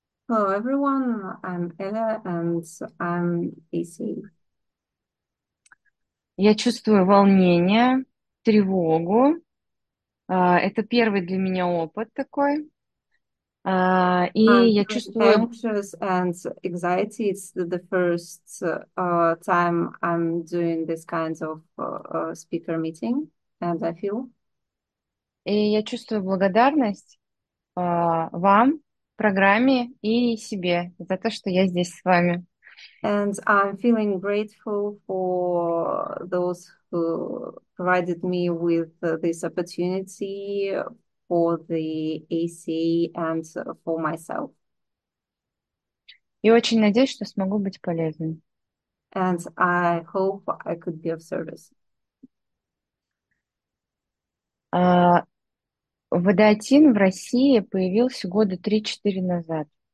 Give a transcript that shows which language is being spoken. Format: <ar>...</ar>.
<en>Hello everyone, I'm Ella and I'm AC.</en> <ru>Я чувствую волнение, тревогу. Это первый для меня опыт такой. И я чувствую...</ru> <en>Anxious and anxiety. It's the first time I'm doing this kind of speaker meeting, and I feel.</en> <ru>И я чувствую благодарность вам, программе и себе за то, что я здесь с вами.</ru> <en>And I'm feeling grateful for those who provided me with this opportunity for the ACA and for myself.</en> <ru>И очень надеюсь, что смогу быть полезным.</ru> <en>And I hope I could be of service.</en> <ru>ВДА-ТИН в России появился года 3-4 назад.</ru>